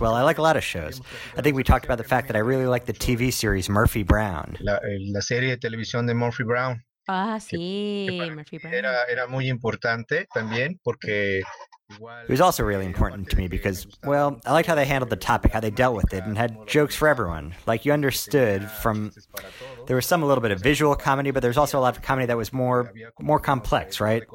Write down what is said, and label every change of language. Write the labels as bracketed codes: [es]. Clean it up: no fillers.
[en] Well, I like a lot of shows. I think we talked about the fact that I really like the TV series Murphy Brown. [es] La serie de televisión de Murphy Brown. Ah, sí, Murphy Brown. Era muy importante también porque [en] It was also really important to me because, well, I liked how they handled the topic, how they dealt with it, and had jokes for everyone. Like, you understood from... There was some a little bit of visual comedy, but there's also a lot of comedy that was more complex, right?